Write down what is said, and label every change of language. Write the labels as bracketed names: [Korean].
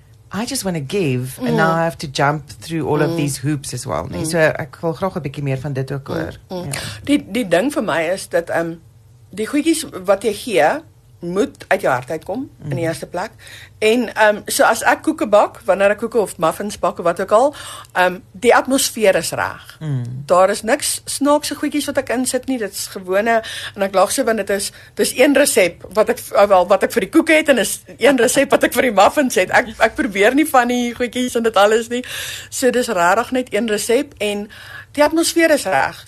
[English] I just want to give, and now I have to jump through all of these hoops as well. [Afrikaans] Nee? So ek wil graag 'n bietjie meer van dit ook hoor. Die ding vir my is dat die goedjies wat jy gee, moet uit jou hart uitkom, in die eerste plek. En so as ek koeke bak, wanneer ek koeke of muffins bak, of wat ook al, die atmosfeer is reg. Daar is niks snaakse goedjies wat ek insit nie, dit is gewone, en ek lag so, want dit is een resep, wat ek vir die koeke het, en is een resep wat ek vir die muffins het. Ek probeer nie van die goedjies en dit alles nie. So dit is rarig net een resep, en die atmosfeer is reg.